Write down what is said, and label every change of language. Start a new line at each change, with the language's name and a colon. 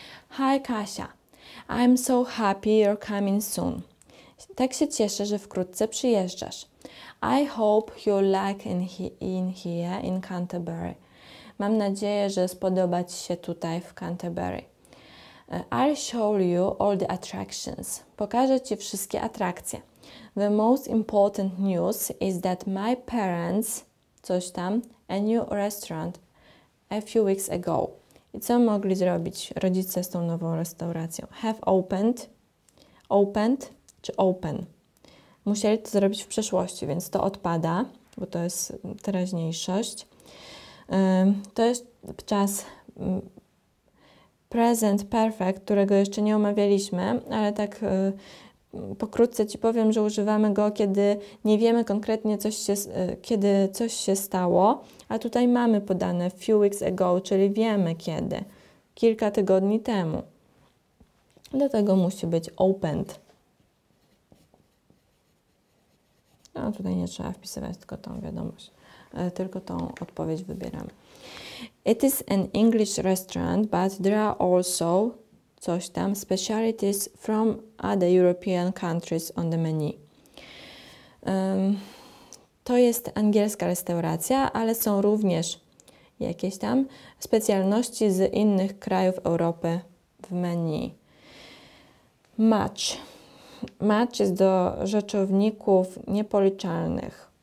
English: Hi Kasia, I'm so happy you're coming soon.
Polish: Tak się cieszę, że wkrótce przyjeżdżasz.
English: I hope you like in here in Canterbury.
Polish: Mam nadzieję, że spodoba ci się tutaj w Canterbury.
English: I'll show you all the attractions.
Polish: Pokażę ci wszystkie atrakcje.
English: The most important news is that my parents,
Polish: coś tam,
English: a new restaurant a few weeks ago.
Polish: I co mogli zrobić rodzice z tą nową restauracją? Have opened czy open? Musieli to zrobić w przeszłości, więc to odpada, bo to jest teraźniejszość. To jest czas present perfect, którego jeszcze nie omawialiśmy, ale tak pokrótce ci powiem, że używamy go, kiedy nie wiemy konkretnie, kiedy coś się stało, a tutaj mamy podane
English: few weeks ago,
Polish: czyli wiemy kiedy. Kilka tygodni temu. Dlatego musi być opened. No, tutaj nie trzeba wpisywać tylko tą wiadomość, tylko tą odpowiedź wybieram.
English: It is an English restaurant, but there are also
Polish: coś tam,
English: specialities from other European countries on the menu.
Polish: To jest angielska restauracja, ale są również jakieś tam specjalności z innych krajów Europy w menu. Much. Much jest do rzeczowników niepoliczalnych.